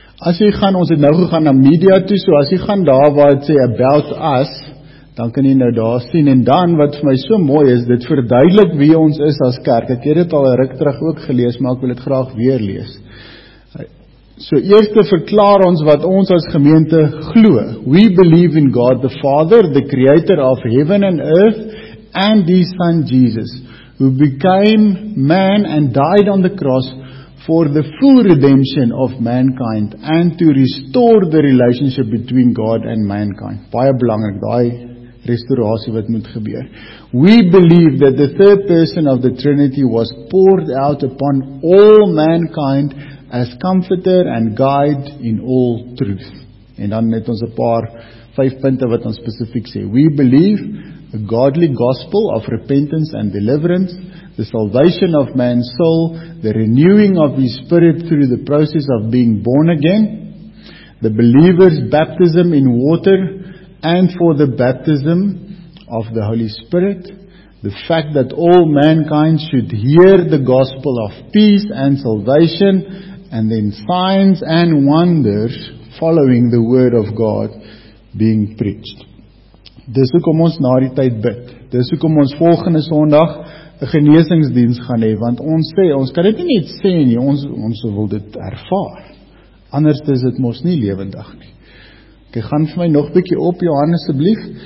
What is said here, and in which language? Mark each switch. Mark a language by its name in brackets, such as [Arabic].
[Afrikaans] As jy gaan, ons het nou gegaan na media toe, so as jy gaan daar waar het sê about us, dan kan jy nou daar sien, en dan, wat vir my so mooi is, dit verduidelik wie ons is as kerk, ek het al een ruk terug ook gelees, maar ek wil het graag weer lees. So eerste verklaar ons wat ons as gemeente glo. [English] We believe in God the Father, the creator of heaven and earth, and his son Jesus, who became man and died on the cross for the full redemption of mankind, and to restore the relationship between God and mankind. [Afrikaans] Baie belangrik, die restaurasie wat moet gebeur. [English] We believe that the third person of the Trinity was poured out upon all mankind as comforter and guide in all truth. [Afrikaans] En dan het ons 'n paar vyf punte wat ons spesifiek sê. [English] We believe a godly gospel of repentance and deliverance, the salvation of man's soul, the renewing of his spirit through the process of being born again, the believer's baptism in water, and for the baptism of the Holy Spirit, the fact that all mankind should hear the gospel of peace and salvation, and then signs and wonders following the word of God being preached. [Afrikaans] Dis hoekom ons na die tyd bid. Dis hoekom ons volgende Sondag 'n genesingsdiens gaan hê, want ons sê, ons kan dit nie net sê nie, ons wil dit ervaar. Anders is dit mos nie lewendig nie. Okay, gaan vir my nog bietjie op, Johannes, asseblief.